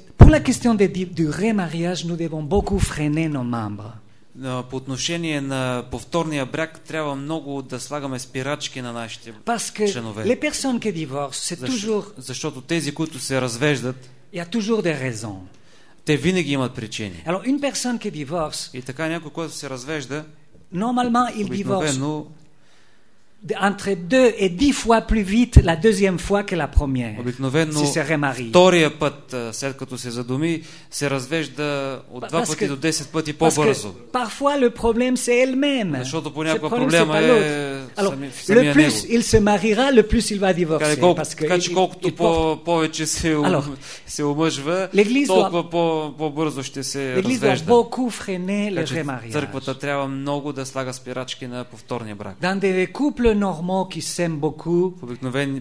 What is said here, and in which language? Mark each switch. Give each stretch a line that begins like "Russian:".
French: Pour la question du remariage, nous devons beaucoup freiner nos membres.
Bulgarian: По отношение на повторния брак трябва много да слагаме спирачки на нашите членове.
French: Les personnes qui divorcent, c'est toujours.
Bulgarian: Защото тези, които се развеждат,
French: il y a toujours des raisons.
Bulgarian: Те винаги имат причини.
French: Alors, une personne qui divorce,
Bulgarian: и така някой, който се развежда,
French: normalement il divorce entre 2 et 10 fois plus vite la deuxième fois que la première.
Bulgarian: Обикновено,
French: si se remarie.
Bulgarian: Втория път, след като се задуми, се развежда от 2 пъти до 10 пъти по-бързо.
French: Parce que parfois le problème c'est elle-même.
Bulgarian: Защото понякога проблема е самия него.
French: Alors, le plus il se mariera, le plus il va divorcer.
Bulgarian: Така че колкото повече се омъжва, толкова по-бързо ще се развежда.
French: L'église doit beaucoup freiner le remariage.
Bulgarian: Църквата трябва много да слага спирачки на повторния брак.
French: Dans des couples normaux qui s'aiment beaucoup,